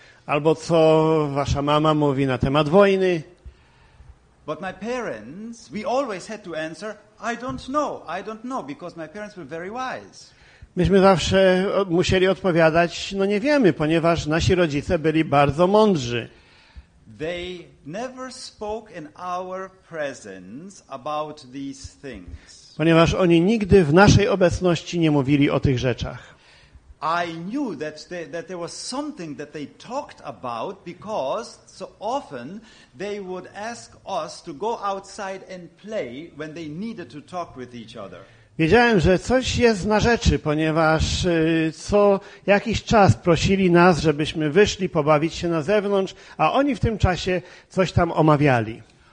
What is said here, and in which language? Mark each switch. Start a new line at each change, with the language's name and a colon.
Polish: Albo co wasza mama mówi na temat wojny?
English: But my parents, we always had to answer, I don't know, because my parents were very wise.
Polish: Myśmy zawsze musieli odpowiadać, no nie wiemy, ponieważ nasi rodzice byli bardzo mądrzy.
English: They never spoke in our presence about these things.
Polish: Ponieważ oni nigdy w naszej obecności nie mówili o tych rzeczach.
English: I knew that that there was something that they talked about because so often they would ask us to go outside and play when they needed to talk with each other.
Polish: Wiedziałem, że coś jest na rzeczy, ponieważ co jakiś czas prosili nas, żebyśmy wyszli pobawić się na zewnątrz, a oni w tym czasie coś tam omawiali.